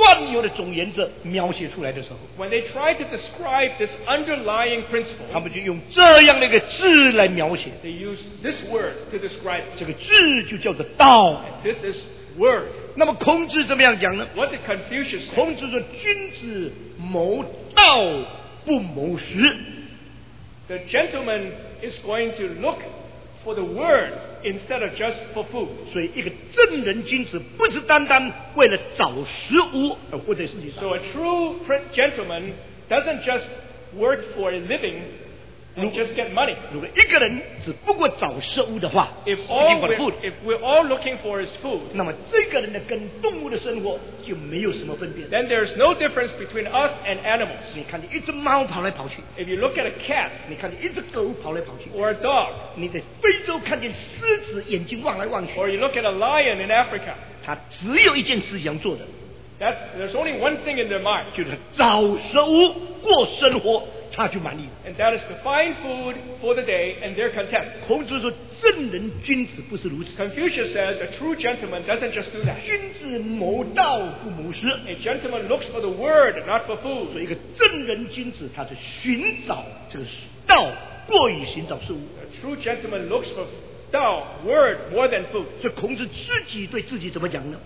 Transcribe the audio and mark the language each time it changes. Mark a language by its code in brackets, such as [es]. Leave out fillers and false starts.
[zh] 要把这贯穿万有的总原则描写出来的时候， [en] When they try to describe this underlying principle, [zh] 他们就用这样的一个字来描写， [en] They use this word to describe it. [zh] 这个字就叫做道。 [en] This is word. [zh] 那么孔子怎么样讲呢？ [en] What did Confucius say? [zh] 孔子说君子谋道不谋食。 [en] The gentleman is going to look for the word instead of just for food. [zh] 所以一个正人君子不是单单为了找食物而活在世界上。 [en] So a true gentleman doesn't just work for a living and just get money. [zh] 如果一个人只不过找食物的话， [en] if we're all looking for his food, [zh] 那么这个人的跟动物的生活就没有什么分别。 [en] Then there's no difference between us and animals. [zh] 你看见一只猫跑来跑去， [en] if you look at a cat, [zh] 你看见一只狗跑来跑去， [en] or a dog, [zh] 你在非洲看见狮子眼睛望来望去， [en] or you look at a lion in Africa, [zh] 他只有一件事情做的， [en] there's only one thing in their mind, [zh] 就是找食物过生活， 他就满意了。 [en] And that is to find food for the day and they're content. [zh] 孔子说正人君子不是如此。 [en] Confucius says a true gentleman doesn't just do that. [zh] 君子谋道不谋食。 [en] A gentleman looks for the word, not for food. [zh] 所以一个正人君子他是寻找这个道过于寻找食物。 [en] A true gentleman looks for Dao, word more than food. [zh] 所以孔子自己对自己怎么讲呢？